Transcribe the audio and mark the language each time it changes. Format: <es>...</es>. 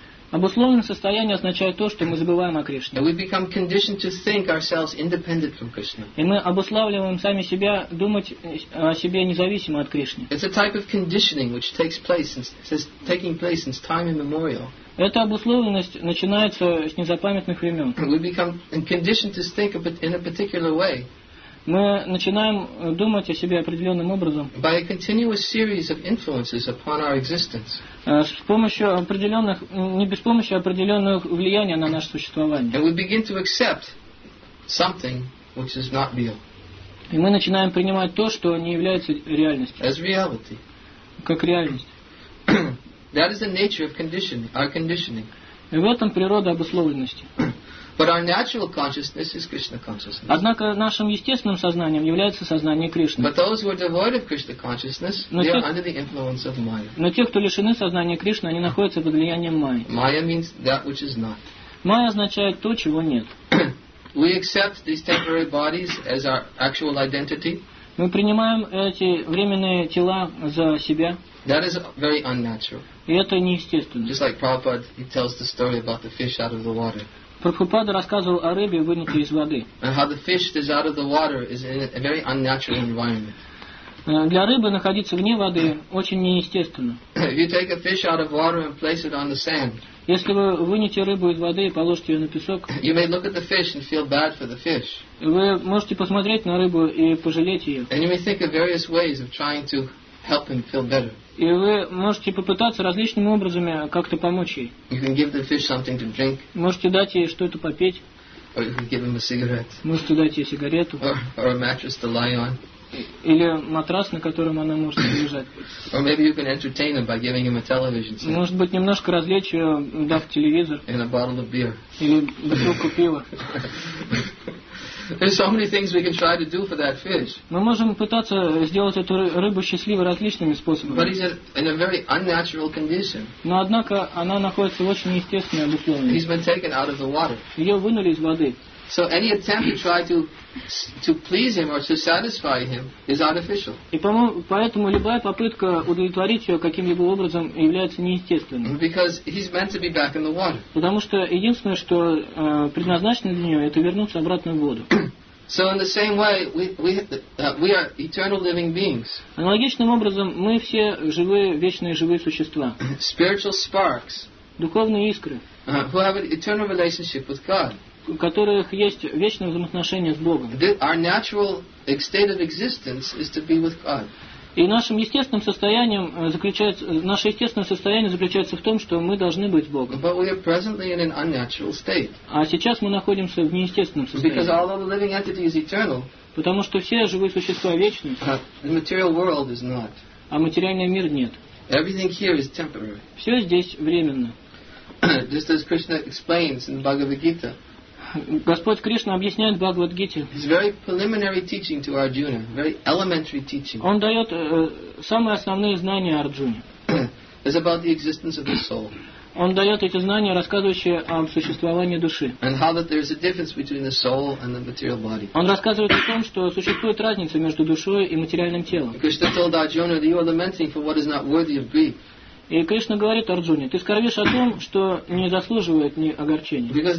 <ru>Обусловленное состояние означает то, что мы забываем о Кришне.</ru> <en>And we become conditioned to think ourselves independent from Krishna.</en> <ru>И мы обуславливаем сами себя думать о себе независимо от Кришны.</ru> <en>It's a type of conditioning which takes place since taking place since time immemorial.</en> <ru>Эта обусловленность начинается с незапамятных времен.</ru> <en>We become conditioned to think in a particular way.</en> <ru>Мы начинаем думать о себе определенным образом.</ru> <en>By a continuous series of influences upon our existence.</en> <ru>С помощью определенных влияний на наше существование.</ru> <en>And we begin to accept something which is not real.</en> <ru>И мы начинаем принимать то, что не является реальностью.</ru> <en>As reality.</en> <ru>Как реальность.</ru> <en>That is the nature of conditioning, our conditioning.</en> <ru>И в этом природа обусловленности.</ru> <en>But our natural consciousness is Krishna consciousness.</en> <ru>Однако нашим естественным сознанием является сознание Кришны.</ru> <en>But those who are devoid of Krishna consciousness, they are under the influence of Maya.</en> <ru>Но те, кто лишены сознания Кришны, они находятся под влиянием Майи.</ru> <en>Maya means that which is not.</en> <ru>Майя означает то, чего нет.</ru> <en>We accept these temporary bodies as our actual identity.</en> <ru>Мы принимаем эти временные тела за себя.</ru> <en>That is very unnatural.</en> <ru>И это неестественно.</ru> <en>Just like Prabhupada, he tells the story about the fish out of the water.</en> <ru>Прабхупада рассказывал о рыбе, вынутой из воды.</ru> <en>And how the fish that is out of the water is in a very unnatural environment.</en> <ru>Для рыбы находиться вне воды очень неестественно.</ru> <en>If you take a fish out of water and place it on the sand.</en> <ru>Если вы вынете рыбу из воды и положите ее на песок.</ru> <en>You may look at the fish and feel bad for the fish.</en> <ru>Вы можете посмотреть на рыбу и пожалеть ее.</ru> <en>And you may think of various ways of trying to help him feel better.</en> <ru>И вы можете попытаться различными образами как-то помочь ей.</ru> <en>You can give the fish something to drink.</en> <ru>Можете дать ей что-то попить.</ru> <en>Or you can give him a cigarette.</en> <ru>Можете дать ей сигарету.</ru> <en>Or a mattress to lie on.</en> <ru>Или матрас, на котором она может лежать.</ru> <en>Or maybe you can entertain him by giving him a television set.</en> <ru>Может быть, немножко развлечь ее, дав телевизор.</ru> <en>And a bottle of beer.</en> <ru>Или бутылку пива.</ru> <en>There's so many things we can try to do for that fish.</en> <ru>Мы можем пытаться сделать эту рыбу счастливой различными способами.</ru> <en>But he's in a very unnatural condition.</en> <ru>Но однако она находится в очень неестественном условии.</ru> <en>He's been taken out of the water.</en> <ru>Ее вынули из воды.</ru> <en>So any attempt to try to please him or to satisfy him is artificial.</en> <ru>И поэтому любая попытка удовлетворить его каким-либо образом является неестественной.</ru> <en>Because he's meant to be back in the water.</en> <ru>Потому что единственное, что предназначено для него, это вернуться обратно в воду.</ru> <en>So in the same way, we are eternal living beings.</en> <ru>Аналогичным образом мы все живые, вечные живые существа.</ru> <en>Spiritual sparks.</en> <ru>Духовные искры.</ru> <en>Who have an eternal relationship with God.</en> <ru>У которых есть вечное взаимоотношение с Богом.</ru> <en>Our natural state of existence is to be with God.</en> <ru>И нашим естественным состоянием заключается, наше естественное состояние заключается в том, что мы должны быть с Богом.</ru> <en>But we are presently in an unnatural state.</en> <ru>А сейчас мы находимся в неестественном состоянии.</ru> <en>Because although the living entity is eternal,</en> <ru>потому что все живые существа вечны.</ru> <en>The material world is not.</en> <ru>А материальный мир нет.</ru> <en>Everything here is temporary.</en> <ru>Все здесь временно.</ru> <en>Just as Krishna explains in Bhagavad Gita.</en> <ru>Господь Кришна объясняет Бхагавад-гите.</ru> <en>It's very preliminary teaching to Arjuna, very elementary teaching.</en> <ru>Он дает самые основные знания Арджуне.</ru> <en>It's about the existence of the soul.</en> <ru>Он дает эти знания, рассказывающие о существовании души.</ru> <en>And how that there is a difference between the soul and the material body.</en> <ru>Он рассказывает о том, что существует разница между душой и материальным телом.</ru> <en>Krishna told Arjuna that you are lamenting for what is not worthy of grief.</en> <ru>И Кришна говорит Арджуне, ты скорбишь о том, что не заслуживает ни огорчения.</ru>